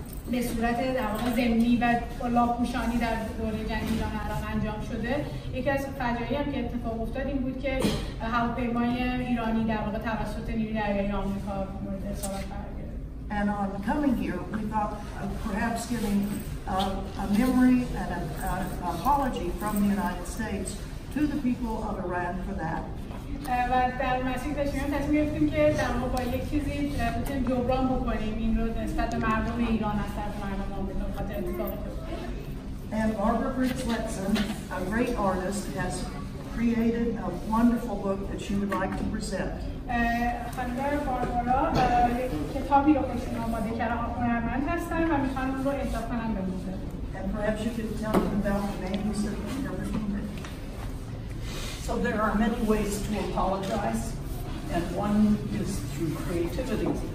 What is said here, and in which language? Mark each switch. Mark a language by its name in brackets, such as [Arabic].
[Persian] به صورت در واقع زمینی و لاپوشانی در دوره جنگ ایران عراق انجام شده. یکی از فجایعی هم که اتفاق افتاد این بود که هواپیمای ایرانی در واقع توسط نیروی دریایی آمریکا مورد اصابت قرار گرفت. [English] And on coming here, we thought perhaps giving a memory and an apology from the United States to the people of Iran for that. [Persian] و در مسیر تشکیل تصمیم گرفتیم که در واقع با یک چیزی بتونیم جبران بکنیم این رو نسبت به مردم ایران از طرف مردم آمریکا خاطر اتفاقی. [English] And Barbara Fritz-Letson, a great artist, has created a wonderful book that she would like to present. [Persian] خانم باربارا کتابی رو خودشون آماده کردن، هنرمند هستن و میخوان اون رو اجرا کنن به موزه. [English] And perhaps you could tell them about the manuscript of the government. So there are many ways to apologize, and one is through creativity.